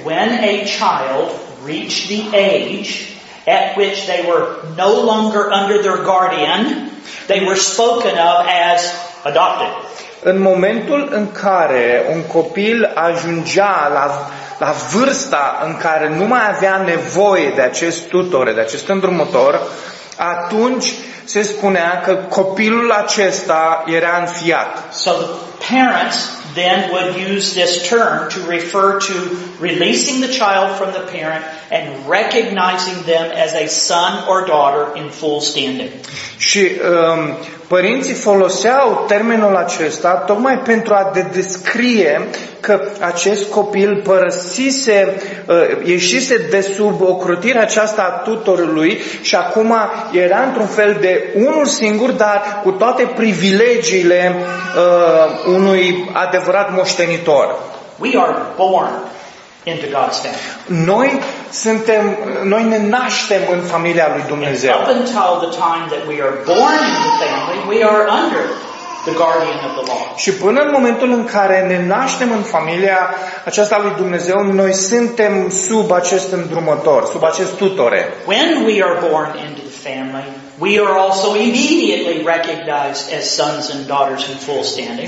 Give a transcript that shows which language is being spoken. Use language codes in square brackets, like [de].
[en] When a child reached the age at which they were no longer under their guardian, they were spoken of as adopted. [ro] În momentul în care un copil ajungea la vârsta în care nu mai avea nevoie de acest tutor, de acest îndrumător, atunci se spunea că copilul acesta era înfiat. [en] So the parents then would use this term to refer to releasing the child from the parent and recognizing them as a son or daughter in full standing. [ro] Și părinții foloseau termenul acesta tocmai pentru a descrie că acest copil părăsise, ieșise de sub ocrotirea aceasta a tutorului și acum era într-un fel de unul singur, dar cu toate privilegiile unui adevărat moștenitor. [en] We are born into God's family. [ro] Noi ne naștem în familia lui Dumnezeu. [en] And up until the time that we are born into the family, we are under the guardian of the law. [ro] Și până în momentul în care ne naștem în familia aceasta lui Dumnezeu, noi suntem sub acest îndrumător, sub acest tutor. [en] When we are born into the family, we are also immediately recognized as sons and daughters in full standing.